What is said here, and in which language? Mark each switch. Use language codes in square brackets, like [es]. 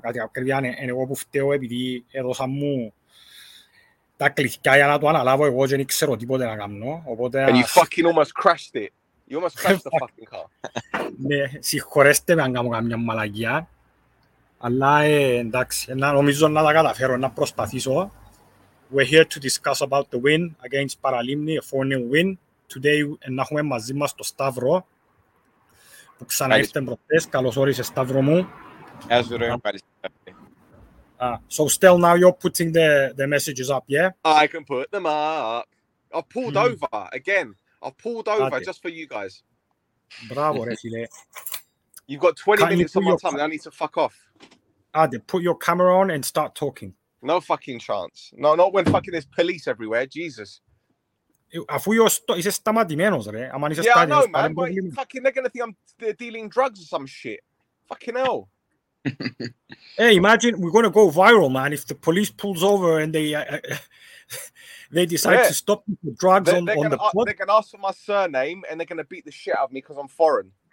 [el] Κάτι ακριβιά είναι εγώ που φταίω επειδή έδωσα μου τα κλειδιά για να το αναλάβω. Εγώ δεν ξέρω τίποτε να κάνω. Οπότε, [en] and you fucking almost crashed it. You almost crashed the fucking car. [el] Ναι, συγχωρέστε με αν κάνω καμιά μαλαγιά. Αλλά εντάξει, νομίζω να τα καταφέρω, να προσπαθήσω. [en] We're here to discuss about the win against Paralimni, a 4-0 win. Today, [el] να έχουμε μαζί μας τον Σταύρο, που ξαναήρθε προχτές. Καλώς όρισε, Σταύρο μου. Καλώς όρισε, ευχαριστώ. [en] So, still now you're putting the messages up, yeah? I can put them up. I've pulled over, again. I've pulled over just for you guys. [el] Μπράβο, ρε φίλε. [en] You've got 20 minutes of my time, I need to fuck off. Άντε, put your camera on and start talking. No fucking chance. No, not when fucking there's police everywhere. Jesus. [el] Αφού είσαι σταματημένος, ρε. [en] Yeah, I know, man. But fucking, they're going to think I'm dealing drugs or some shit. Fucking hell. Hey, imagine we're going to go viral, man, if the police pulls over and they decide to stop the drugs on the plot. They're going to ask for my surname and they're going to beat the shit out of me because I'm foreign.